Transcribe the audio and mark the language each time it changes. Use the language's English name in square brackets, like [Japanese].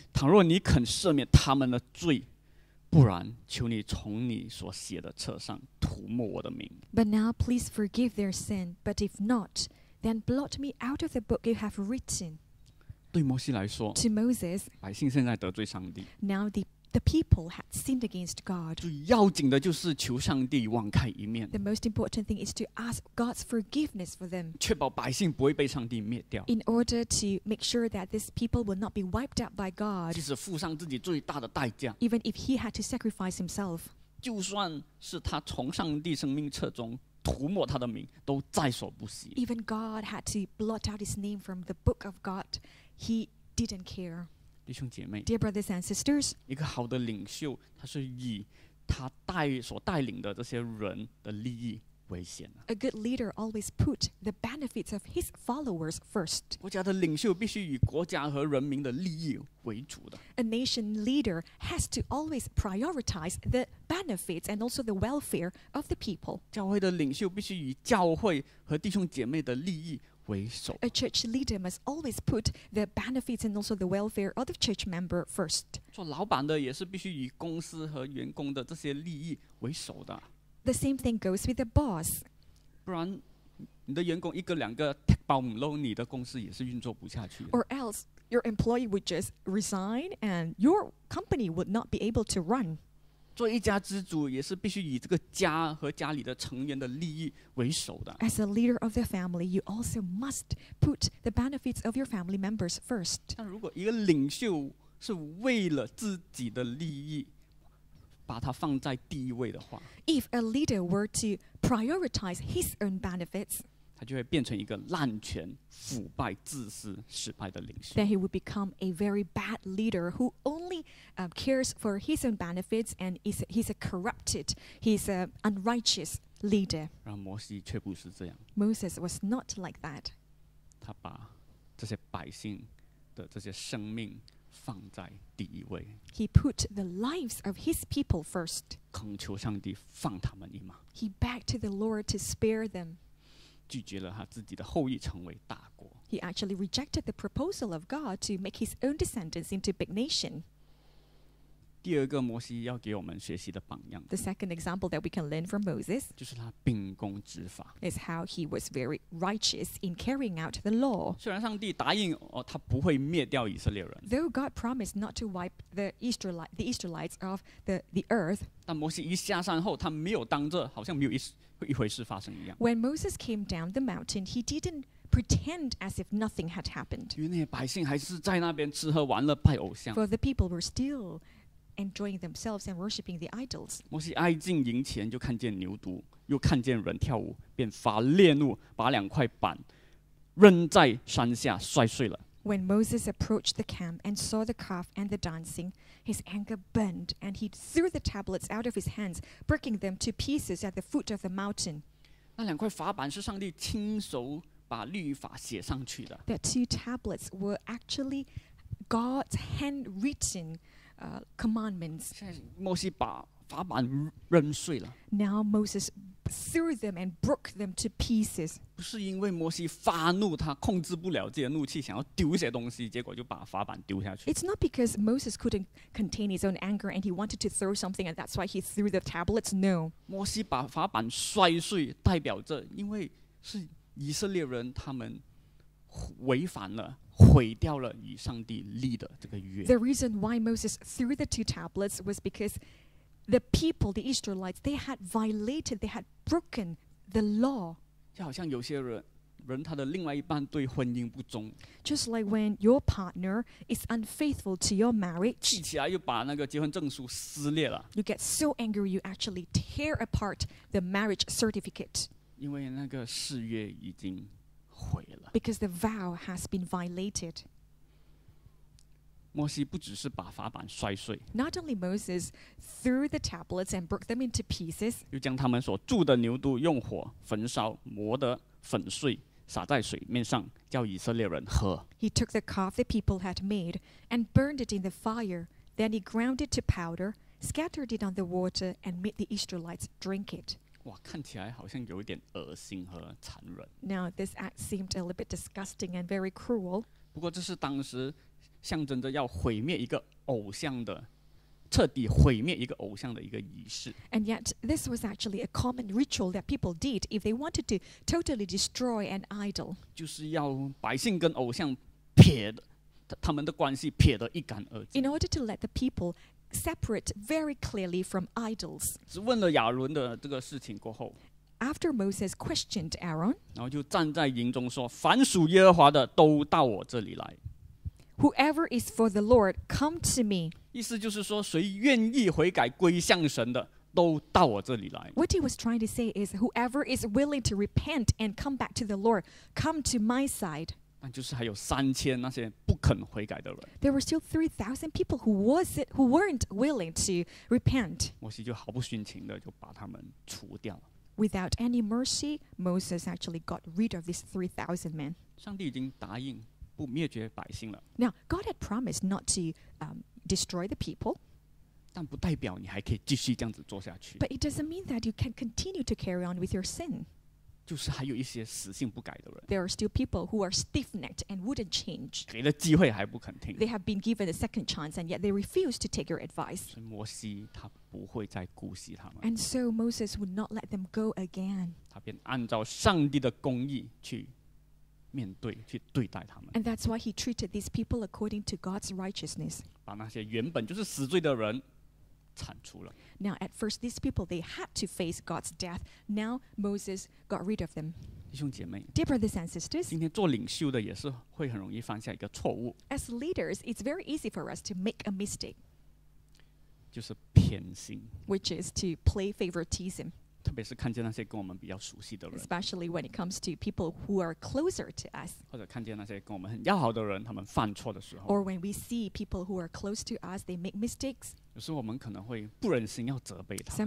[Chinese] 倘若你肯赦免他们的罪，不然求你从你所写的册上涂抹我的名。 [English] But now please forgive their sin, but if not, then blot me out of the book you have written. [Chinese] 对摩西来说， [English] To Moses, [Chinese] 百姓现在得罪上帝。 [English] Now the people had sinned against God. [Chinese] 最要紧的就是求上帝网开一面。 [English] The most important thing is to ask God's forgiveness for them. [Chinese] 确保百姓不会被上帝灭掉。 [English] In order to make sure that these people will not be wiped out by God. [Chinese] 即使付上自己最大的代价。 [English] Even if he had to sacrifice himself. [Chinese] 就算是他从上帝生命册中涂抹他的名，都在所不惜。 [English] Even God had to blot out his name from the book of God. He didn't care. [Chinese] 弟兄姐妹， [English] Dear brothers and sisters, [Chinese] 一个好的领袖，他是以他带所带领的这些人的利益为先。 [English] A good leader always put the benefits of his followers first. [Chinese] 国家的领袖必须以国家和人民的利益为主的。 [English] A nation leader has to always prioritize the benefits and also the welfare of the people. [Chinese] 教会的领袖必须以教会和弟兄姐妹的利益。 [English] A church leader must always put the benefits and also the welfare of the church member first. [Chinese] 做老板的也是必须以公司和员工的这些利益为首的。 [English] The same thing goes with the boss. [Chinese] 不然你的员工一个两个 take bomb 不漏，你的公司也是运作不下去。 [English] Or else your employee would just resign and your company would not be able to run. [Chinese] 做一家之主也是必须以这个家和家里的成员的利益为首的。 [English] As a leader of the family, you also must put the benefits of your family members first. [Chinese] 但如果一个领袖是为了自己的利益把它放在第一位的话， [English] If a leader were to prioritize his own benefits, [Chinese] 他就会变成一个滥权、腐败、自私、失败的领袖。 [English] Then he would become a very bad leader who onlycares for his own benefits and he's a corrupted, he's an unrighteous leader. [Chinese] 让摩西却不是这样。 [English] Moses was not like that. [Chinese] 他把这些百姓的这些生命放在第一位。 [English] He put the lives of his people first. [Chinese] 恳求上帝放他们一马。 [English] He begged the Lord to spare them. [Chinese] 拒绝了他自己的后裔成为大国。 [English] He actually rejected the proposal of God to make his own descendants into a big nation. [Chinese] 第二个摩西要给我们学习的榜样， [English] The second example that we can learn from Moses, [Chinese] 就是他秉公执法， [English] is how he was very righteous in carrying out the law. [Chinese] 虽然上帝答应，他不会灭掉以色列人， [English] though God promised not to wipe the Israelites off the earth, [Chinese] 但摩西一下山后，他没有当着好像没有一回事发生一样。 [English] When Moses came down the mountain, he didn't pretend as if nothing had happened. [Chinese] 因为那些百姓还是在那边吃喝玩乐拜偶像， [English] for the people were stillenjoying themselves and worshipping the idols. [Chinese] 摩西挨近营前就看见牛犊，又看见人跳舞，便发烈怒，把两块板扔在山下摔碎了。 [English] When Moses approached the camp and saw the calf and the dancing, his anger burned and he threw the tablets out of his hands, breaking them to pieces at the foot of the mountain. [Chinese] 那两块法板是上帝亲手把律法写上去的。 [English] The two tablets were actually God's handwritten commandments. [Chinese] 现在摩西把法板扔碎了。 [English] Now Moses threw them and broke them to pieces. [Chinese] 不是因为摩西发怒，他控制不了自己的怒气，想要丢一些东西，结果就把法板丢下去。 [English] It's not because Moses couldn't contain his own anger and he wanted to throw something and that's why he threw the tablets. No. [Chinese] 摩西把法板摔碎，代表着因为是以色列人他们违反了。毁掉了与上帝立的这个约。 [English] The reason why Moses threw the two tablets was because the people, the Israelites, they had violated, they had broken the law. [Chinese] 就好像有些人他的另外一半对婚姻不忠。 [English] Just like when your partner is unfaithful to your marriage. [Chinese] 气起来又把那个结婚证书撕裂了。 [English] You get so angry you actually tear apart the marriage certificate. [Chinese] 因为那个誓约已经 [English] Because the vow has been violated. [Chinese] 摩西不只是把法板摔碎， [English] Not only Moses threw the tablets and broke them into pieces. [Chinese] 又将他们所铸的牛犊用火焚烧，磨得粉碎，撒在水面上，叫以色列人喝。 [English] He took the calf the people had made and burned it in the fire. Then he ground it to powder, scattered it on the water, and made the Israelites drink it. [Chinese] 哇，看起来好像有点恶心和残忍。 [English] Now this act seemed a little bit disgusting and very cruel. [Chinese] 不过这是当时象征着要毁灭一个偶像的。彻底毁灭一个偶像的一个仪式。 [English] And yet, this was actually a common ritual that people did if they wanted to totally destroy an idol. [Chinese] 就是要百姓跟偶像撇的，他们的关系撇得一干二净。 [English] In order to let the people separate very clearly from idols. [Chinese] 只问了亚伦的这个事情过后。 [English] After Moses questioned Aaron. [Chinese] 然后就站在营中说，凡属耶和华的都到我这里来。 [English] Whoever is for the Lord, come to me. [Chinese] 意思就是说，谁愿意悔改归向神的，都到我这里来。 [English] What he was trying to say is, whoever is willing to repent and come back to the Lord, come to my side. [Chinese] 那就是还有三千那些不肯悔改的人。 [English] There were still 3,000 people who weren't willing to repent. [Chinese] 摩西就毫不殉情的就把他们除掉了。 [English] Without any mercy, Moses actually got rid of these 3,000 men. [Chinese] 上帝已经答应。不灭绝百姓了。 [English] Now, God had promised not to destroy the people. [Chinese] 但不代表你还可以继续这样子做下去。 [English] But it doesn't mean that you can continue to carry on with your sin. [Chinese] 就是还有一些死性不改的人。 [English] There are still people who are stiff-necked and wouldn't change. [Chinese] 给了机会还不肯听。 [English] They have been given a second chance and yet they refuse to take your advice. [Chinese] 所以摩西他不会再姑息他们。 [English] And so Moses would not let them go again. [Chinese] 他便按照上帝的公义去面对，去对待他们。 [English] And that's why he treated these people according to God's righteousness. [Chinese] 把那些原本就是死罪的人铲除了。 [English] Now, at first, these people, they had to face God's death. Now, Moses got rid of them. [Chinese] 弟兄姐妹， [English] Dear brothers and sisters, [Chinese] 今天做领袖的也是会很容易犯下一个错误。 [English] As leaders, it's very easy for us to make a mistake. [Chinese] 就是偏心。 [English] Which is to play favoritism. [Chinese] 特别是看见那些跟我们比较熟悉的人， [English] especially when it comes to people who are closer to us， [Chinese] 或者看见那些跟我们很要好的人，他们犯错的时候， [English] or when we see people who are close to us, they make mistakes。 [Chinese] 有时候我们可能会不忍心要责备他。